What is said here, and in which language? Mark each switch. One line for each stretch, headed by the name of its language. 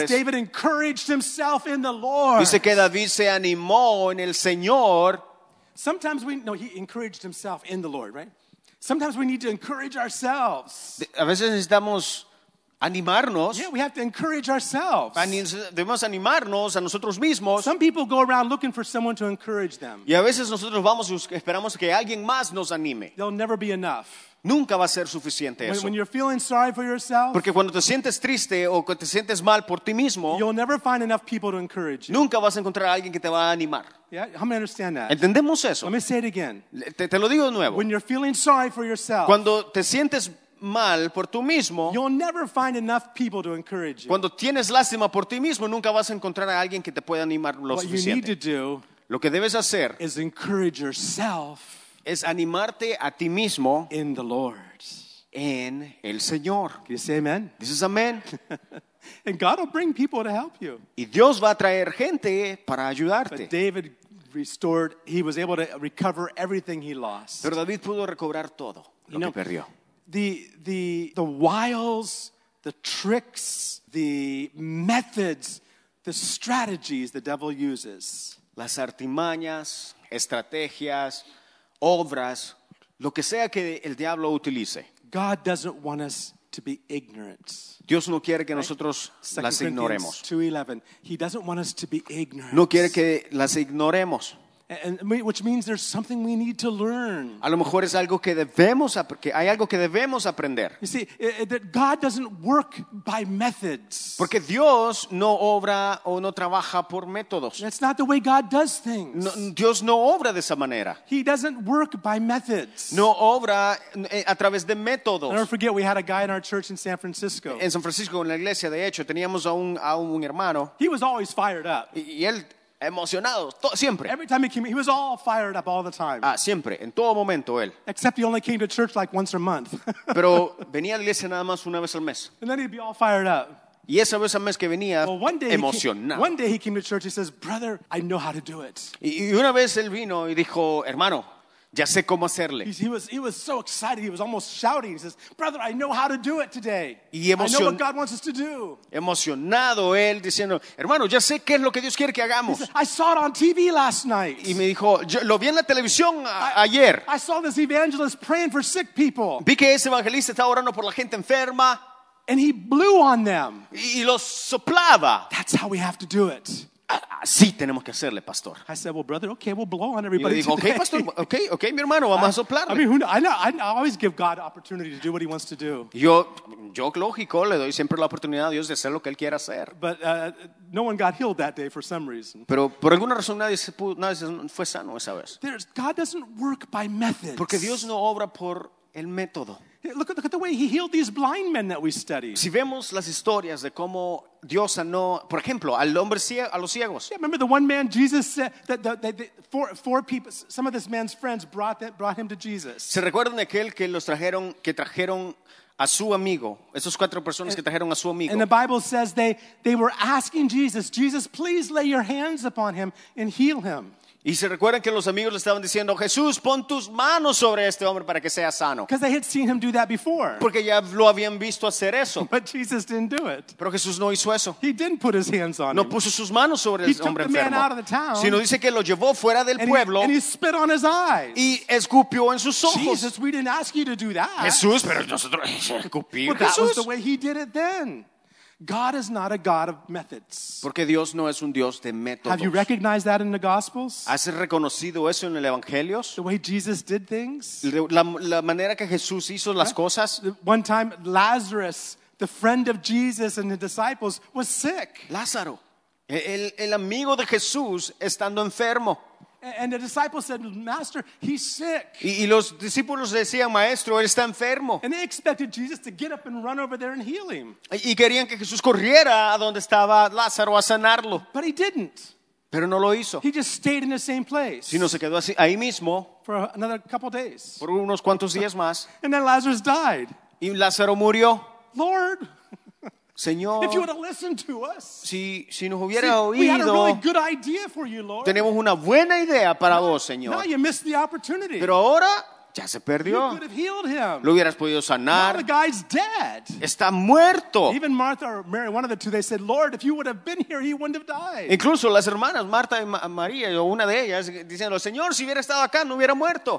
English: It says David encouraged himself in the Lord.
Spanish: Dice que David se animó en el Señor.
English: Sometimes he encouraged himself in the Lord, right? Sometimes we need to encourage ourselves.
Spanish: A veces necesitamos animarnos.
English: Yeah, we have to encourage ourselves.
Spanish: Debemos animarnos a nosotros mismos.
English: Some people go around looking for someone to encourage them.
Spanish: Y a veces nosotros vamos y esperamos que alguien más nos anime.
English: They'll never be enough.
Spanish: Nunca va a ser suficiente eso.
English: When you're feeling sorry for yourself,
Spanish: porque cuando te sientes triste o cuando te sientes mal por ti mismo,
English: you'll never find enough people to encourage you.
Spanish: Nunca vas a encontrar a alguien que te va a animar.
English: Yeah, how many understand that?
Spanish: ¿Entendemos eso?
English: Let me say it again.
Spanish: Te lo digo de nuevo.
English: When you're feeling sorry for yourself,
Spanish: cuando te sientes mal por tú mismo,
English: you'll never find enough people to encourage you.
Spanish: Cuando tienes lástima por ti mismo, nunca vas a encontrar a alguien que te pueda animar lo
English: what
Spanish: suficiente.
English: You need to do
Spanish: lo que debes hacer
English: is encourage yourself.
Spanish: Es animarte a ti mismo
English: in the Lord.
Spanish: En el Señor.
English: Can you say amen? This is amen. And God will bring people to help you.
Spanish: Y Dios va a traer gente para ayudarte.
English: But David restored, he was able to recover everything he lost.
Spanish: Pero David pudo recobrar todo lo
English: you know,
Spanish: que perdió.
English: The wiles, the tricks, the methods, the strategies the devil uses.
Spanish: Las artimañas, estrategias, obras, lo que sea que el diablo utilice.
English: God doesn't want us to be ignorant.
Spanish: Dios no quiere que nosotros las ignoremos.
English: 2:11. He doesn't want us to be ignorant.
Spanish: No quiere que las ignoremos.
English: And which means there's something we need to learn.
Spanish: A lo mejor es algo que debemos que hay algo que debemos aprender.
English: You see, that God doesn't work by methods.
Spanish: Porque Dios no obra o no trabaja por métodos.
English: That's not the way God does things.
Spanish: No, Dios no obra de esa manera.
English: He doesn't work by methods.
Spanish: No obra a través de métodos.
English: I'll never forget we had a guy in our church in San Francisco.
Spanish: En San Francisco, en la iglesia, de hecho, teníamos a un hermano.
English: He was always fired up.
Spanish: Y él emocionado siempre.
English: Every time he came, he was all fired up all the time.
Spanish: Ah, siempre, en todo momento él.
English: Except he only came to church like once a month.
Spanish: Pero venía a la iglesia nada más una vez al mes.
English: And then he'd be all fired up.
Spanish: Y esa vez al mes que venía,
English: well, one day
Spanish: emocionado.
English: One day he came to church. He says, "Brother, I know how to do it."
Spanish: Y una vez él vino y dijo, hermano, ya sé cómo hacerle.
English: He was so excited. He was almost shouting. He says, "Brother, I know how to do it today."
Spanish: Y emocionado.
English: I know what God wants us to do.
Spanish: Emocionado él diciendo, "Hermano, ya sé qué es lo que Dios quiere que hagamos."
English: He says, "I saw it on TV last night."
Spanish: Y me dijo, "Yo lo vi en la televisión ayer."
English: I saw this evangelist praying for sick people.
Spanish: Vi que ese evangelista estaba orando por la gente enferma.
English: And he blew on them.
Spanish: Y los soplaba.
English: That's how we have to do it.
Spanish: Sí, tenemos que hacerle, pastor.
English: I said, "Well, brother, okay, we'll blow on everybody."
Spanish: Y le digo,
English: today.
Spanish: "Okay, pastor, okay, mi hermano, vamos a soplarle."
English: I mean, who knows? I always give God opportunity to do what He wants to do.
Spanish: Yo lógico, le doy siempre la oportunidad a Dios de hacer lo que él quiera hacer.
English: But no one got healed that day for some reason.
Spanish: Pero por alguna razón nadie fue sano esa vez.
English: God doesn't work by methods.
Spanish: Porque Dios no obra por el método.
English: Look at the way He healed these blind men that we studied.
Spanish: Si vemos las historias de cómo Dios sanó, por ejemplo, al hombre ciego, a los ciegos.
English: Yeah, remember the one man Jesus said that the four people, some of this man's friends brought him to Jesus.
Spanish: ¿Se recuerdan aquel que los trajeron, que trajeron a su amigo, esos cuatro personas que trajeron a su amigo?
English: And the Bible says they were asking Jesus, "Jesus, please lay your hands upon him and heal him."
Spanish: Y se recuerdan que los amigos le estaban diciendo, "Jesús, pon tus manos sobre este hombre para que sea sano."
English: Because they had seen him do that before.
Spanish: Porque ya lo habían visto hacer eso.
English: But Jesus didn't do it.
Spanish: Pero Jesús no hizo eso.
English: He didn't put his hands on
Spanish: no
English: him.
Spanish: Puso sus manos sobre el hombre enfermo.
English: He took the man out of the town.
Spanish: Sino dice que lo llevó fuera del pueblo.
English: And he spit on his eyes.
Spanish: Y escupió en sus ojos.
English: Jesus, we didn't ask you to do that.
Spanish: Jesús, pero nosotros escupimos.
English: But that was the way he did it then. God is not a God of methods.
Spanish: Porque Dios no es un Dios de métodos.
English: Have you recognized that in the Gospels?
Spanish: ¿Has reconocido eso en el Evangelios?
English: The way Jesus did things.
Spanish: La manera que Jesús hizo las cosas.
English: One time, Lazarus, the friend of Jesus and the disciples, was sick.
Spanish: Lázaro, el amigo de Jesús, estando enfermo.
English: And the disciples said, "Master, he's sick."
Spanish: Y los discípulos decían, "Maestro, él está enfermo."
English: And they expected Jesus to get up and run over there and heal him.
Spanish: Y querían que Jesús corriera a donde estaba Lázaro a sanarlo.
English: But he didn't.
Spanish: Pero no lo hizo.
English: He just stayed in the same place.
Spanish: Sino se quedó así, ahí mismo.
English: For another couple days.
Spanish: Por unos cuantos días más.
English: And then Lazarus died.
Spanish: Y Lázaro murió.
English: Lord.
Spanish: Señor,
English: if you would have listened to us,
Spanish: si nos hubiera
English: see,
Spanish: oído,
English: we had a really good idea for you, Lord.
Spanish: Tenemos una buena idea para vos, Señor.
English: Now you missed the opportunity.
Spanish: Pero ahora Ya se perdió.
English: You could have healed him.
Spanish: Lo hubieras podido sanar.
English: Now the guy's dead.
Spanish: Está muerto.
English: Even Martha or Mary, one of the two, they said, Lord, if you would have been here, he wouldn't have died.
Spanish: Incluso las hermanas, Marta y María, o una de ellas, diciendo, Señor, si hubiera estado acá, no hubiera muerto.